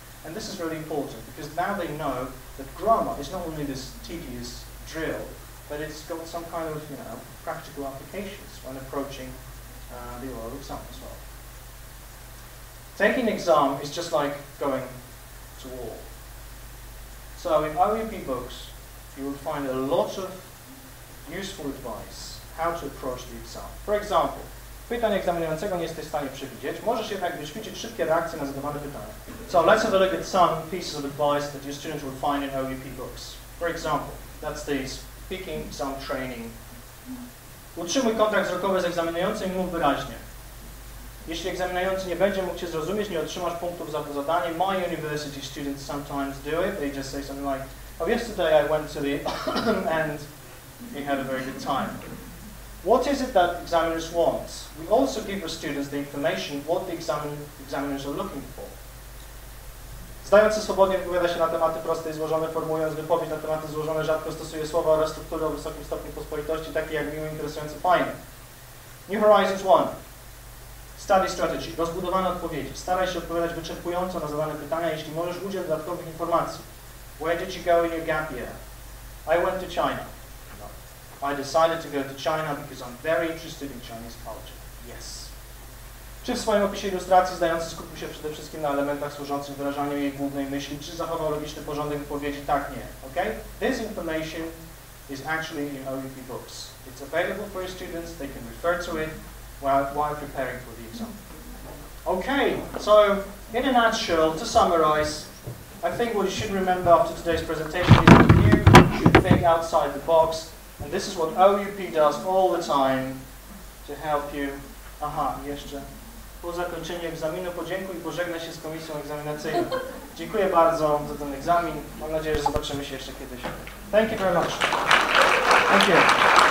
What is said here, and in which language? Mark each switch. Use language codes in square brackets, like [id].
[en] And this is really important, because now they know that grammar is not only this tedious drill, but it's got some kind of, you know, practical applications when approaching the oral exam as well. Taking an exam is just like going to war. So in OEP books, you will find a lot of useful advice how to approach the exam. For example, [pl] pytanie egzaminującego nie jesteś w stanie przewidzieć. Możesz jednak wyćwiczyć szybkie reakcje na zadawane pytania. [en] So let's have a look at some pieces of advice that your students will find in OEP books. For example, that's the speaking exam training. [pl] Utrzymuj kontakt wzrokowy z egzaminującym i mów wyraźnie. Jeśli egzaminujący nie będzie mógł Cię zrozumieć, nie otrzymasz punktów za to zadanie. [en] My university students sometimes do it. They just say something like, oh, yesterday I went to the and we had a very good time. What is it that examiners want? We also give our students the information what the examiners are looking for. [pl] Zdając się swobodnie wypowiada się na tematy proste i złożone, formułując wypowiedź na tematy złożone, rzadko stosuje słowa oraz struktury o wysokim stopniu pospolitości, takie jak miło, interesujące, fajne. New Horizons 1. Study strategy. Rozbudowane odpowiedzi. Staraj się odpowiadać wyczerpująco na zadane pytania, jeśli możesz udzielić dodatkowych informacji. [en] Where did you go in your gap year? I went to China. I decided to go to China because I'm very interested in Chinese culture. Yes. [pl] Czy w swoim opisie ilustracji zdający skupił się przede wszystkim na elementach służących wyrażaniu jej głównej myśli? Czy zachował logiczny porządek wypowiedzi? Tak, nie. [en] Okay? This information is actually in OEP books. It's available for your students. They can refer to it while preparing for the exam. Okay, so in a nutshell, to summarize, I think what you should remember after today's presentation is that you should think outside the box. And this is what OUP does all the time to help you. [pl] Aha, jeszcze. Po zakończeniu egzaminu podziękuj i pożegnaj się z komisją egzaminacyjną. Dziękuję bardzo za ten egzamin. Mam nadzieję, że zobaczymy się jeszcze kiedyś. [en] Thank you very much. Thank you.